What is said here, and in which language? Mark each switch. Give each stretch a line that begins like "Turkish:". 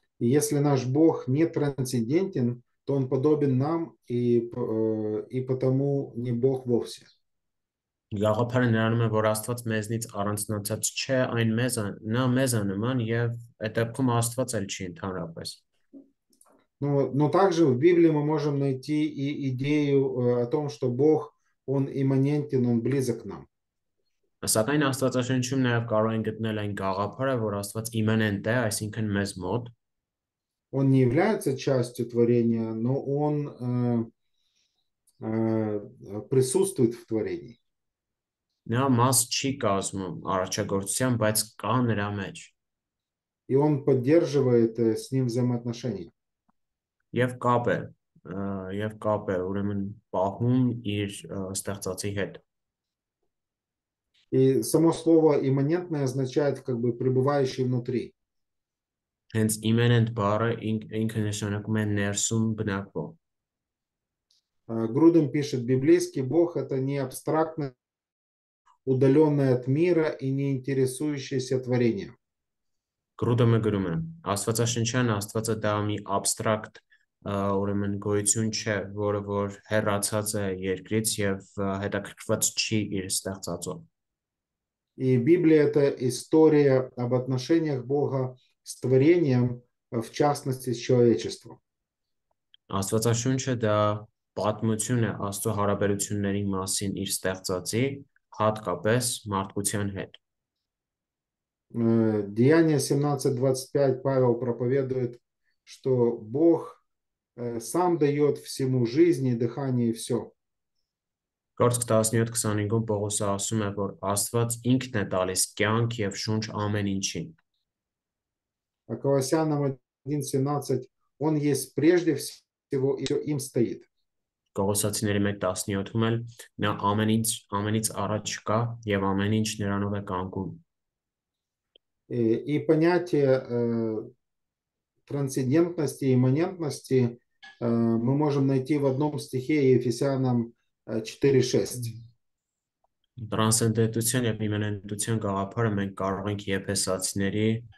Russian: Если наш Бог не трансцендентен, то он подобен нам и потому не Бог вовсе.
Armenian: Գաղափարը նրանում է, որ Աստված մեզնից առանձնացած չէ, այն մեզը, նա մեզը նման եւ այդ դեպքում Աստված էլ չի ընդհանրապես։
Russian: Но также в Библии мы можем найти и идею о том, что Бог, он имманентен, он близок к нам.
Armenian: Սակայն Աստվածաշնչում նաև կարող են գտնել այն գաղափարը, որ Աստված իմանենտ է, այսինքն մեզ մոտ։
Russian: Он не является частью творения, но он присутствует в творении.
Armenian: Նա մաս չի կազմում առաջագործության, բայց կա նրա մեջ։
Russian: И он поддерживает с ним взаимоотношения.
Armenian: Եվ կապ է, ուրեմն պահում իր ստեղծածի հետ։
Russian: И само слово имманентное означает как бы пребывающий внутри.
Armenian: Հենց իմենենտ բառը ինքը նշանակում է ներսում բնակվող։
Russian: Груден пишет, библейский Бог – это не абстрактное, удаленное от мира и не интересующееся творение.
Armenian: Գրուդը գրում է. Աստվածաշնչյան Աստվածը դա մի աբստրակտ ուրեմն գոյություն չէ, որը որ հեռացած է երկրից եւ հետաքրքրված չի իր ստեղծածով։
Russian: И Библия – это история об отношениях Бога с творением, в частности, с человечеством.
Armenian: Աստվածաշունչը դա պատմություն է Աստծո հարաբերությունների մասին իր ստեղծածի, հատկապես մարդկության հետ։
Russian: Деяние 17:25 Павел проповедует, что Бог сам дает всему жизни, дыхание и все.
Armenian: Գործ 17:25-ում Պողոսը ասում է, որ Աստված ինքն է տալիս կյանք եւ շունչ ամեն ինչին։
Russian: А Колоссянам 1:17 он есть прежде всего и все им стоит.
Armenian: Կողոսացիների 1:17-ում էլ նա ամենից առաջ կա եւ ամեն ինչ նրանով է կանգուն։
Russian: И понятие трансцендентности, имманентности мы можем найти в одном стихе Ефесянам 4:6.
Armenian: Տրանսենդենտության եւ իմանենտության գաղափարը մենք կարող ենք Եփեսացիների